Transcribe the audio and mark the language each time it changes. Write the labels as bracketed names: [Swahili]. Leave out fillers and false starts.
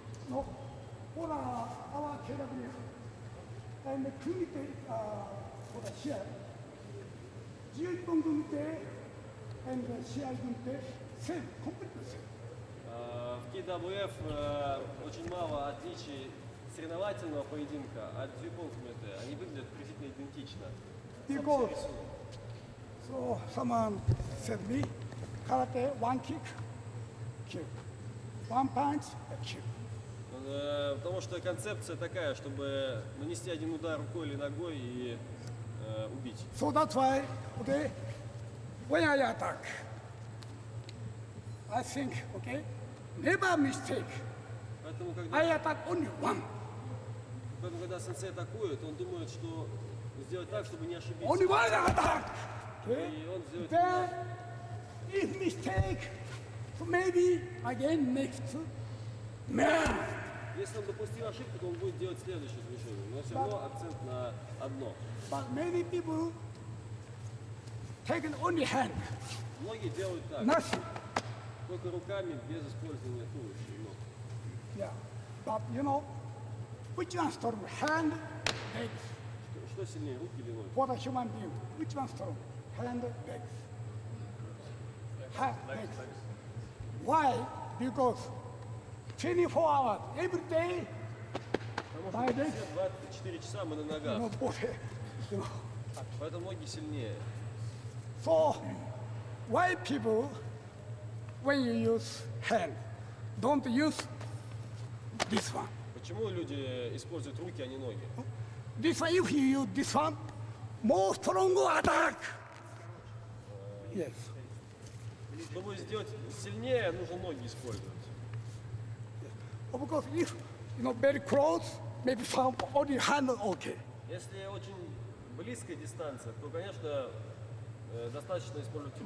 [English] No, for our category and Kumite for the share, Jiyu Kumite and Share Kumite, same, completely same. [Russian] KWF очень мало отличий. Соревновательного поединка от дзюйпон кумите, они выглядят приблизительно идентично. [English] Because, so someone said me, karate one kick, kick, one punch, kick. [Russian] Потому что концепция такая, чтобы нанести один удар рукой или ногой и убить. [English] So that's why, okay, when I attack, I think, okay, never mistake. [Russian] Поэтому, когда... [English] I attack only one. [Russian] Поэтому, когда сенсей атакует, он думает, что сделать так, чтобы не ошибиться. [English] Only one attack! [Russian] Okay. И он сделает так. [English] If mistake, so maybe again next man. [Russian] Если он допустил ошибку, то он будет делать следующее движение. Но все равно акцент на одно. [English] But many people take only hand. [Russian] Многие делают так. [English] Nothing. [Russian] Только руками, без использования туловища и ног. [English] Yeah. But you know, Which one strong? Hand, legs. [Russian] Что сильнее, руки или ноги? [English] For the human being, which one strong? Hand, legs. Hand, legs. Why? Because 24 hours, every day, my legs. [Russian] 24 часа мы на ногах. [English] No body. [Russian] Поэтому ноги сильнее. [English] So, why people, when you use hand, don't use this one? [Russian] Почему люди используют руки, а не ноги? [English] This one, if you use this one, more strong attack. Yes. [Russian] Чтобы сделать сильнее, нужно ноги использовать. [English] Yes. Because if you know very close, maybe some only hand okay. [Russian] Если очень близкая дистанция, то, конечно, достаточно использовать руки.